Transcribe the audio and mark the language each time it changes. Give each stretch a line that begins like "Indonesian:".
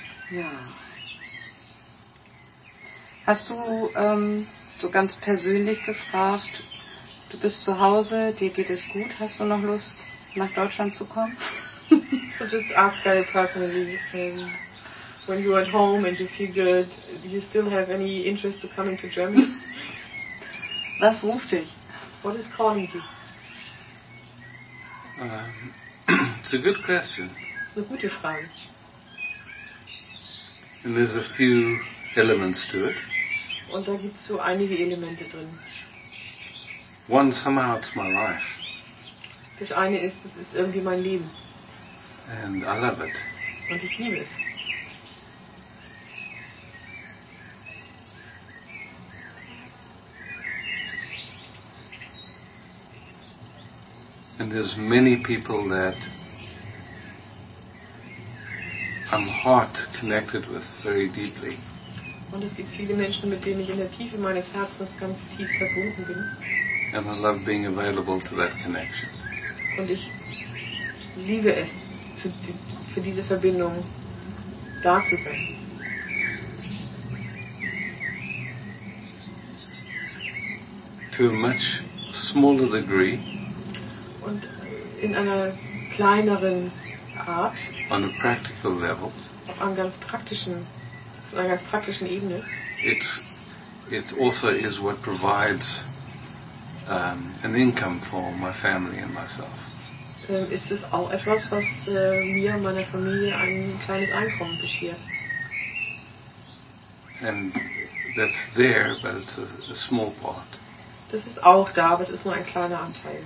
German: Ja. Hast du so ganz persönlich gefragt, du bist zu Hause, dir geht es gut, hast du noch Lust, nach Deutschland zu kommen?
English: So just ask very personally, when you're at home and you feel good, do you still have any interest to coming to Germany?
German: Was ruft dich?
English: What is calling you? It's a good question.
German: Eine gute Frage.
English: And there's a few elements to it.
German: Und da gibt's so einige Elemente drin.
English: One somehow it's my life.
German: Das eine ist, das ist irgendwie mein Leben.
English: And I love it.
German: Und ich liebe es.
English: And there's many people that I'm heart connected with very deeply.
German: Und es gibt viele Menschen, mit denen ich in der Tiefe meines Herzens ganz tief verbunden bin.
English: And I love being available to that connection.
German: Und ich liebe es, für diese Verbindung da zu sein.
English: To a much smaller degree.
German: Und in einer kleineren Art.
English: On a practical level.
German: Auf einem ganz praktischen, auf einer ganz praktischen Ebene.
English: It also is what provides an income for my family and myself.
German: Ist es auch etwas, was mir und meiner Familie ein kleines Einkommen beschert?
English: And that's there, but it's a small part.
German: Das ist auch da, aber es ist nur ein kleiner Anteil.